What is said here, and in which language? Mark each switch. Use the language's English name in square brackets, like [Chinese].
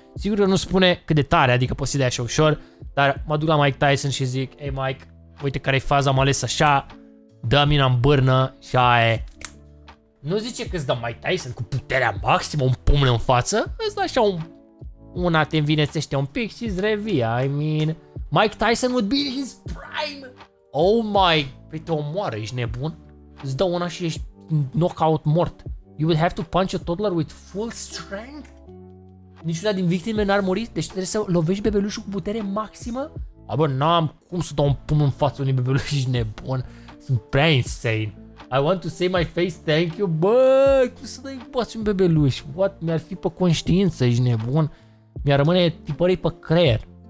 [Romanian] Sigur că nu spune cât de tare, adică poți să dai așa ușor, dar mă duc la Mike Tyson și zic: [English] hey Mike, [Romanian] uite care-i faza, am ales așa, dă-mi în bârnă și aia e. Nu zice că îți dă Mike Tyson cu puterea maximă un pumn în față, îți dă așa una te învinețește un pic și îți revii. [English] I mean, Mike Tyson would be in his prime. [Romanian] Oh my, păi te omoară, ești nebun? Îți dă una și ești knockout mort. [English] You would have to punch a toddler with full strength? [Romanian] Niciuna din victime n-ar muri? Deci trebuie să lovești bebelușul cu putere maximă? Abă, n-am cum să dau un pumn în față unui bebeluș, ești nebun. Sunt prea [English] insane. I want to say my face, thank you, [Romanian] bă, cum să dai poți un bebeluș? [English] What? [Romanian] Mi-ar fi pe conștiință, ești nebun. Mi-ar rămâne tipărei pe creier.